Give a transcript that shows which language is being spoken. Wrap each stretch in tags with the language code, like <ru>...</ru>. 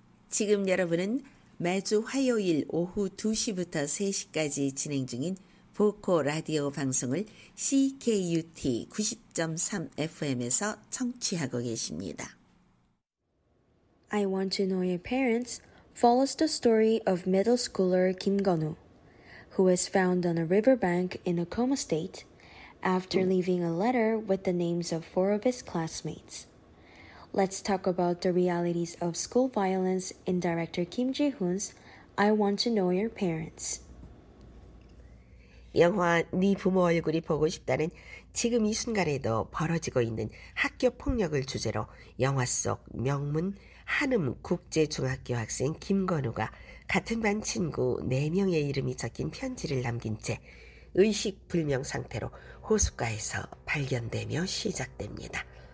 <ko>지금 여러분은 매주 화요일 오후 2시부터 3시까지 진행 중인 보코 라디오 방송을 CKUT 90.3 FM에서 청취하고 계십니다.</ko> <en>I want to know your parents follows the story of middle schooler Kim Gun-woo, who is found on a riverbank in a coma state after leaving a letter with the names of four of his classmates. Let's talk about the realities of school violence in director Kim Ji-hoon's I Want to Know Your Parents.</en> <ko>영화 네 부모 얼굴이 보고 싶다는 지금 이 순간에도 벌어지고 있는 학교 폭력을 주제로 영화 속 명문 한음 국제중학교 학생 김건우가 같은 반 친구 4명의 이름이 적힌 편지를 남긴 채 의식불명 상태로 호숫가에서 발견되며 시작됩니다.</ko>